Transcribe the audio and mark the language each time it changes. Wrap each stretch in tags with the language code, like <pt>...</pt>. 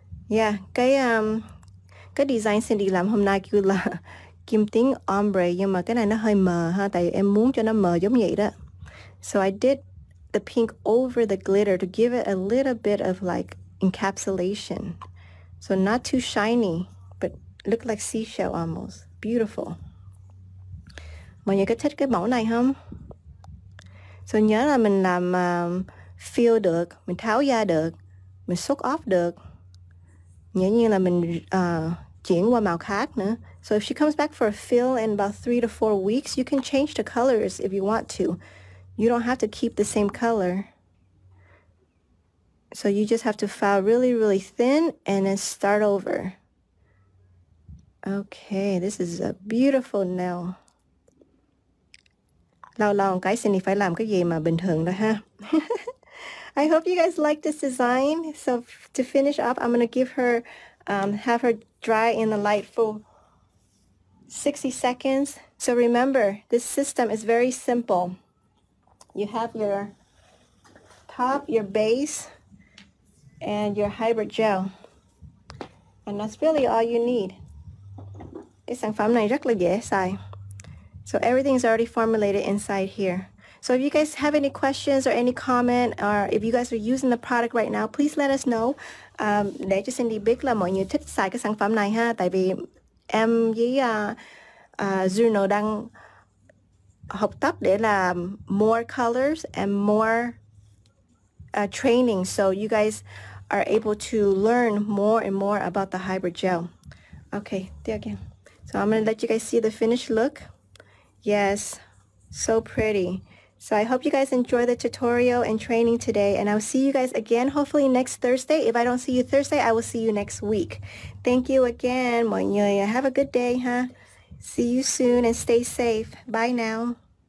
<vi>Yeah, cái design Cindy làm hôm nay kêu là kim tinh ombre, nhưng mà cái này nó hơi mờ ha, tại em muốn cho nó mờ giống vậy đó.</vi> <en>So I did the pink over the glitter to give it a little bit of like encapsulation. So not too shiny, but look like seashell almost. Beautiful.</en> <vi>Mọi người có thích cái mẫu này không? So nhớ là mình làm feel được, mình tháo da được, mình soak off được. Nhớ như là mình chuyển qua màu khác nữa.</vi> <en>So if she comes back for a fill in about 3 to 4 weeks, you can change the colors if you want to. You don't have to keep the same color. So you just have to file really, really thin and then start over. Okay, this is a beautiful nail.</en> <vi>Lâu lâu một cái Cindy phải làm cái gì mà bình thường đó ha.</vi> <en>I hope you guys like this design. So to finish off, I'm gonna give her, have her dry in the light for 60 seconds. So remember, this system is very simple. You have your top, your base, and your hybrid gel. And that's really all you need.</en> <vi>Cái sản phẩm này rất là dễ xài.</vi> <en>So everything is already formulated inside here. So if you guys have any questions or any comment, or if you guys are using the product right now, please let us know.</en> <vi>Để cho Cindy biết là mọi người thích xài cái sản phẩm này ha. Tại vì em với Juno đang học tập để làm</vi> <en>more colors and more training, so you guys are able to learn more and more about the hybrid gel. Okay, there again. So I'm gonna let you guys see the finished look. Yes, so pretty. So I hope you guys enjoy the tutorial and training today, and I'll see you guys again hopefully next Thursday. If I don't see you Thursday, I will see you next week. Thank you again. Have a good day, huh? See you soon and stay safe. Bye now.</en>